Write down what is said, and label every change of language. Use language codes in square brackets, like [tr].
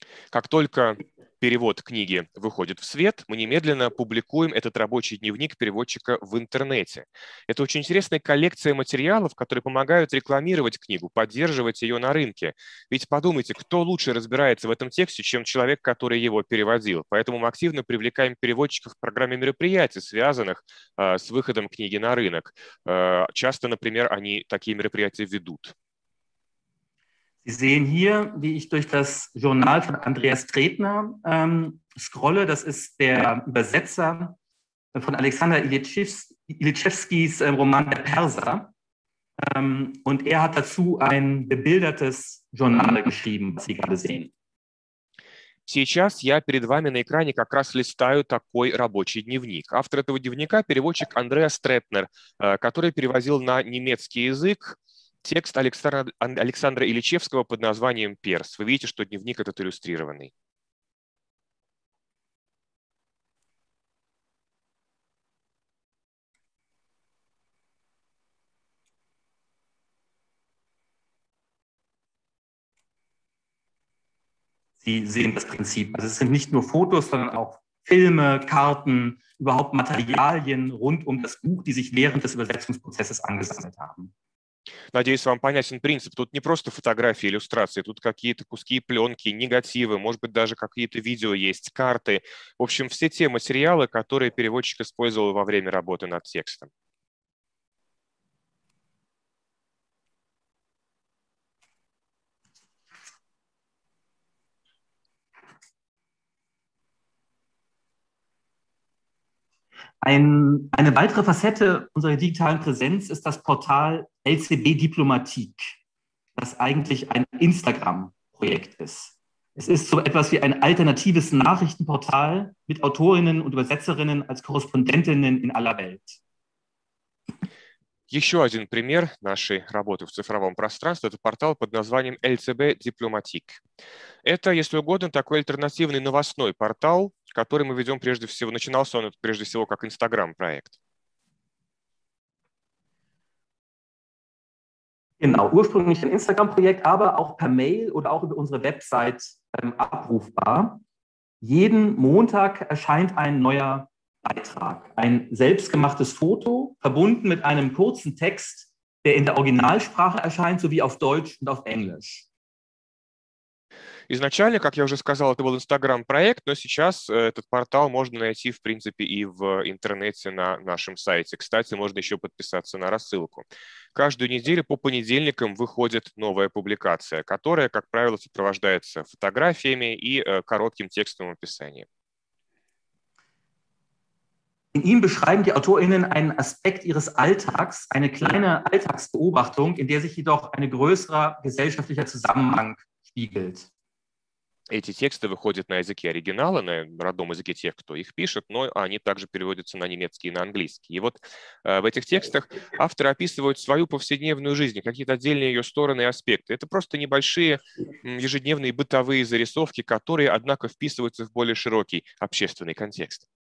[ru] Как только перевод книги выходит в свет, мы немедленно публикуем этот рабочий дневник переводчика в интернете. Это очень интересная коллекция материалов, которые помогают рекламировать книгу, поддерживать ее на рынке. Ведь подумайте, кто лучше разбирается в этом тексте, чем человек, который его переводил. Поэтому мы активно привлекаем переводчиков в программе мероприятий, связанных с выходом книги на рынок. Часто, например, они такие мероприятия ведут. [de] Sie sehen hier, wie ich durch das Journal von Andreas Tretner scrolle. Das ist der Übersetzer von Alexander Ilitschewskis Roman Der Perser. Und er hat dazu ein bebildertes Journal geschrieben, was Sie gerade sehen. [ru] Сейчас я перед вами на экране как раз листаю такой рабочий дневник. Автор этого дневника – переводчик Андреас Третнер, который перевозил на немецкий язык текст Александра Ильичевского под названием «Перс». Вы видите, что дневник этот иллюстрированный. [de] Sie sehen das Prinzip. Also es sind nicht nur Fotos, sondern auch Filme, Karten, überhaupt Materialien rund um das Buch, die sich während des Übersetzungsprozesses angesammelt haben. [ru] Надеюсь, вам понятен принцип. Тут не просто фотографии, иллюстрации, тут какие-то куски пленки, негативы, может быть, даже какие-то видео есть, карты. В общем, все те материалы, которые переводчик использовал во время работы над текстом. [de] Eine weitere Facette unserer digitalen Präsenz ist das Portal LCB Diplomatik, das eigentlich ein Instagram-Projekt ist. Es ist so etwas wie ein alternatives Nachrichtenportal mit Autorinnen und Übersetzerinnen als Korrespondentinnen in aller Welt. [ru] Еще один пример нашей работы в цифровом пространстве – это портал под названием LCB Diplomatik. Это, если угодно, такой альтернативный новостной портал, который мы ведем прежде всего, начинался он прежде всего как Instagram-проект. [de] Genau, ursprünglich ein Instagram-Projekt, aber auch per Mail oder auch über unsere Website abrufbar. Jeden Montag erscheint ein neuer Beitrag, ein selbstgemachtes Foto, verbunden mit einem kurzen Text, der in der Originalsprache erscheint, sowie auf Deutsch und auf Englisch. [ru] Изначально, как я уже сказал, это был Instagram-проект, но сейчас этот портал можно найти, в принципе, и в интернете на нашем сайте. Кстати, можно еще подписаться на рассылку. Каждую неделю по понедельникам выходит новая публикация, которая, как правило, сопровождается фотографиями и коротким текстовым описанием. [de] In ihm beschreiben die AutorInnen einen Aspekt ihres Alltags, eine kleine Alltagsbeobachtung, in der sich jedoch ein größerer gesellschaftlicher Zusammenhang spiegelt. [ru] Эти тексты выходят на языке оригинала, на родном языке тех, кто их пишет, но они также переводятся на немецкий и на английский. И вот в этих текстах авторы описывают свою повседневную жизнь, какие-то отдельные ее стороны и аспекты. Это просто небольшие ежедневные бытовые зарисовки, которые, однако, вписываются в более широкий общественный контекст.